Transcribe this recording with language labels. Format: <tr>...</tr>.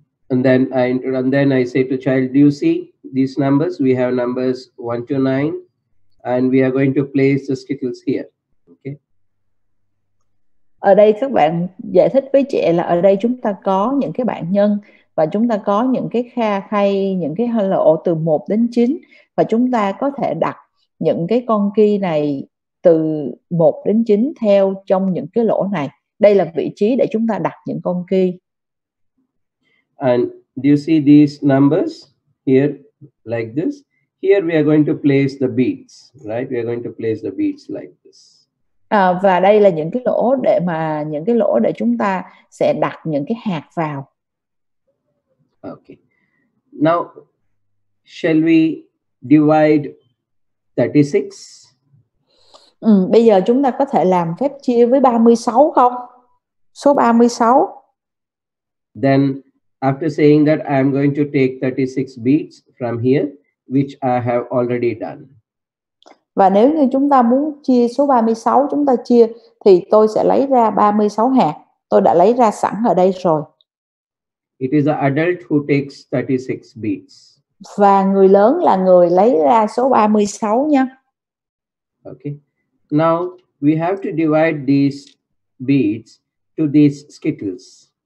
<en>And then I say to child, do you see these numbers? We have numbers 1 to 9, and we are going to place the Skittles here. Okay.</en> <vi>Ở đây các bạn giải thích với trẻ là ở đây chúng ta có những cái bảng nhân và chúng ta có những cái kha khay, những cái hello từ 1 đến 9 và chúng ta có thể đặt những cái con ki này từ 1 đến 9 theo trong những cái lỗ này. Đây là vị trí để chúng ta đặt những con ki.</vi> <en>And do you see these numbers here like this? Here we are going to place the beads, right? We are going to place the beads like this.</en> <vi>À, và đây là những cái lỗ để mà những cái lỗ để chúng ta sẽ đặt những cái hạt vào.</vi> <en>Okay. Now shall we divide 36.</en> <vi>Ừ, bây giờ chúng ta có thể làm phép chia với 36 không? Số 36.</vi> <en>Then after saying that I am going to take 36 beads from here, which I have already done.</en> <vi>Và nếu như chúng ta muốn chia số 36 chúng ta chia thì tôi sẽ lấy ra 36 hạt. Tôi đã lấy ra sẵn ở đây rồi.</vi> <en>It is an adult who takes 36 beads.</en> <vi>Và người lớn là người lấy ra số 36 nha.</vi> <en>Okay. Now we have to divide these beads to these Skittles.</en>